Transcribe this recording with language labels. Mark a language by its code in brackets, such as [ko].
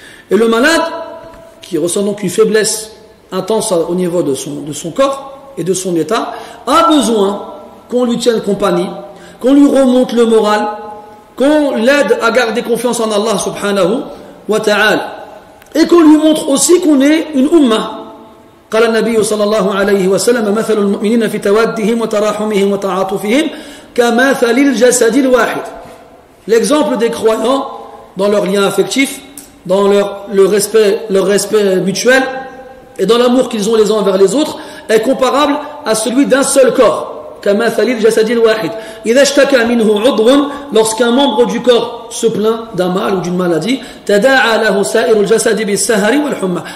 [fr] Et le malade, qui ressent donc une faiblesse intense au niveau de son corps et de son état, a besoin qu'on lui tienne compagnie, qu'on lui remonte le moral, qu'on l'aide à garder confiance en Allah subhanahu wa ta'ala. Et qu'on lui montre aussi qu'on est une umma. [ar] قال النبي صلى الله عليه وسلم مثل المؤمنين في توادهم وتراحمهم وتعاطفهم كمثل الجسد الواحد. [fr] L'exemple des croyants dans leur lien affectif, dans leur respect mutuel et dans l'amour qu'ils ont les uns envers les autres est comparable à celui d'un seul corps. [ar] كمثل الجسد الواحد. إذا اشتكى منه عضو, [fr] lorsqu'un membre du corps se plaint d'un mal ou d'une maladie, [ar] تداعى له سائر الجسد بالسهر والحمى.